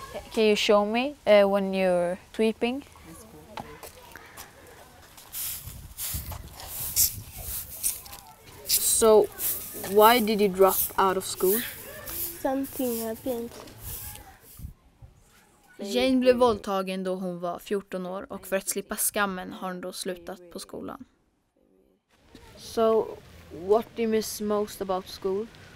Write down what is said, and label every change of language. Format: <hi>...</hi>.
<en>Can you show me when you're sweeping? So, why did you drop out of school? Something happened.</en> <sv>Jane blev våldtagen då hon var 14 år och för att slippa skammen har hon då slutat på skolan.</sv> <en>So, what do you miss most about school?</en>